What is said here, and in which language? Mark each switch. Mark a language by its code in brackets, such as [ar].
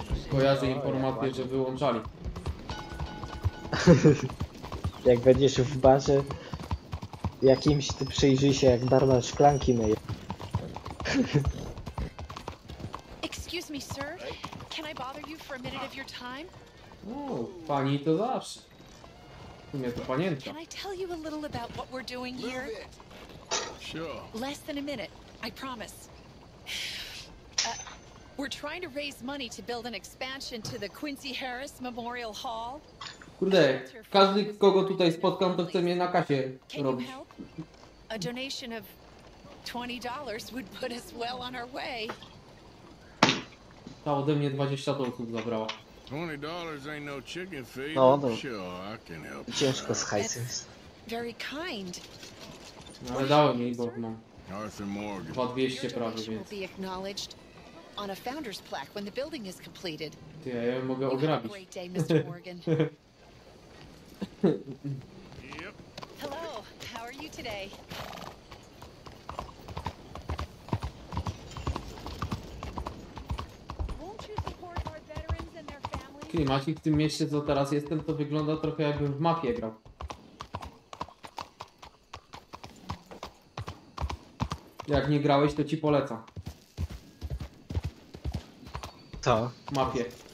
[pl] Kojarzę informację, że wyłączali. Jak będziesz w barze... Jakimś ty przyjrzyj się, jak darna szklanki myje. [en] Excuse me, sir. Can I bother you for a minute of your time? [pl] Pani to zawsze. W sumie to panienka. [en] Can I tell you a little about what we're doing here? Sure. Less than a minute, I promise. We're trying to raise money to build an expansion to the Quincy Harris Memorial Hall. [pl] Kurde, każdy kogo tutaj spotkam, to chce mnie na kasie robić. [en] A donation of $20 would put us well on our way. [pl] Ta ode mnie 20 dolców zabrała. [en] $20 ain't no chicken feed. No, no. Sure, I can help. [pl] Ciężko z hajsem. [en] Very kind. [pl] Ale dałem jej, bo mam. [en] Arthur Morgan. [pl] Po 200 prawie, więc. [en] Be acknowledged on a founder's plaque when the building is completed. [pl] Ty, ja mogę ograbić. [en] Great day, Mr. Morgan. Yep. Hello, how are you today? Won't you support our veterans and their families? [pl] Klimacik w tym mieście, co teraz jestem, to wygląda trochę jakbym w mafię grał. Jak nie grałeś, to ci polecam. To? Mafię.